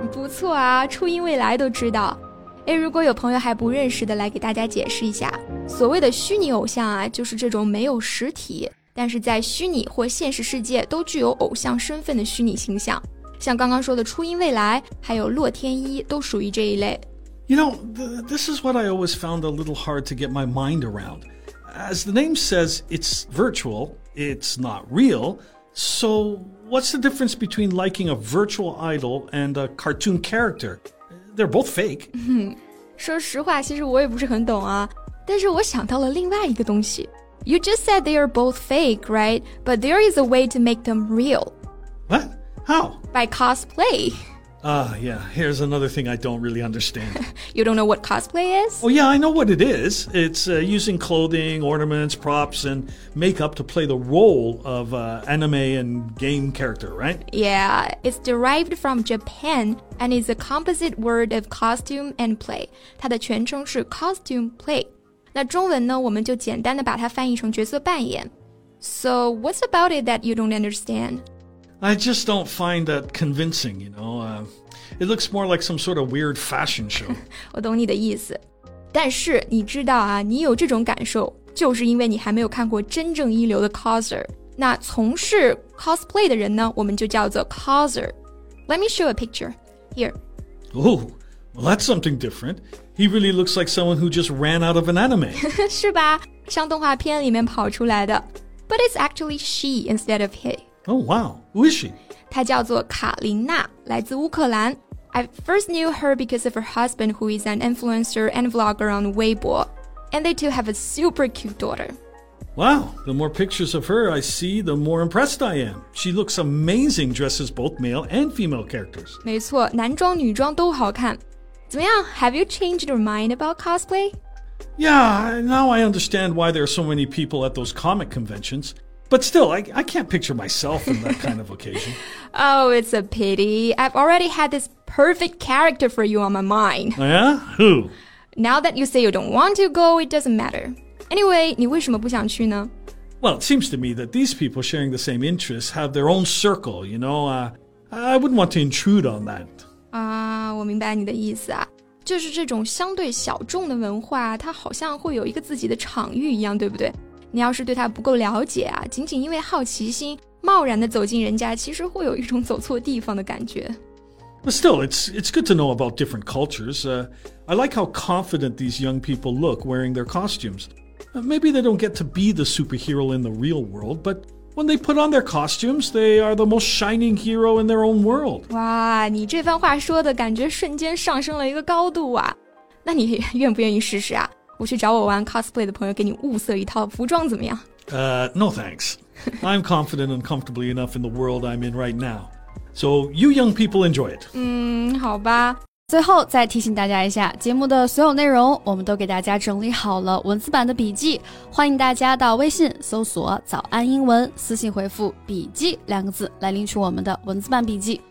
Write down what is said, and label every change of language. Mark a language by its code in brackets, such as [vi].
[zh] 不错啊，初音未来都知道。哎，如果有朋友还不认识的，来给大家解释一下。所谓的虚拟偶像啊，就是这种没有实体，但是在虚拟或现实世界都具有偶像身份的虚拟形象。像刚刚说的初音未来，还有洛天依，都属于这一类。 [en] You know, this is what I always found a little hard to get my mind around. As the name says, it's virtual, it's not real. So, what's the difference between liking a virtual idol and a cartoon character? They're both fake. [zh] 说实话，其实我也不是很懂啊。但是我想到了另外一个东西。 [en] You just said they are both fake, right? But there is a way to make them real. What? How? By cosplay. Yeah, here's another thing I don't really understand. You don't know what cosplay is? Oh yeah, I know what it is. It's using clothing, ornaments, props, and makeup to play the role of anime and game character, right? Yeah, it's derived from Japan, and is a composite word of costume and play. [zh] 它的全称是 costume play. 那中文呢，我们就简单的把它翻译成角色扮演。 [en] So, what's about it that you don't understand? I just don't find that convincing, you know. It looks more like some sort of weird fashion show. [zh] 我懂你的意思。但是你知道啊，你有这种感受，就是因为你还没有看过真正一流的 coser。那从事 cosplay 的人呢，我们就叫做 coser。 [en] Let me show a picture. Here. Oh, well, that's something different. He really looks like someone who just ran out of an anime. [zh] 是吧？像动画片里面跑出来的。 [en] But it's actually she instead of he. Oh, wow. Who is she? [zh] 她叫做卡琳娜，来自乌克兰。 [en] I first knew her because of her husband, who is an influencer and vlogger on Weibo. And they too have a super cute daughter. Wow, the more pictures of her I see, the more impressed I am. She looks amazing, dresses both male and female characters. [zh] 没错，男装女装都好看。怎么样? [en] Have you changed your mind about cosplay? Yeah, now I understand why there are so many people at those comic conventions. But still, I can't picture myself in that kind of occasion. Oh, it's a pity. I've already had this perfect character for you on my mind. Yeah? Who? Now that you say you don't want to go, it doesn't matter. [zh] Anyway, 你为什么不想去呢? [en] Well, it seems to me that these people sharing the same interests have their own circle, you know? I wouldn't want to intrude on that. [zh] 我明白你的意思啊，就是这种相对小众的文化，它好像会有一个自己的场域一样，对不对？你要是对它不够了解啊，仅仅因为好奇心，贸然的走进人家，其实会有一种走错地方的感觉。 [en] But still, it's good to know about different cultures. I like how confident these young people look wearing their costumes. Maybe they don't get to be the superhero in the real world, but... When they put on their costumes, they are the most shining hero in their own world. [zh] 哇，你这番话说的感觉瞬间上升了一个高度啊。那你愿不愿意试试啊？我去找我玩 cosplay 的朋友给你物色一套服装怎么样？ [en] No thanks. I'm confident and comfortably enough in the world I'm in right now. So you young people enjoy it. [zh] 好吧。最后再提醒大家一下，节目的所有内容我们都给大家整理好了文字版的笔记，欢迎大家到微信搜索早安英文，私信回复笔记两个字来领取我们的文字版笔记。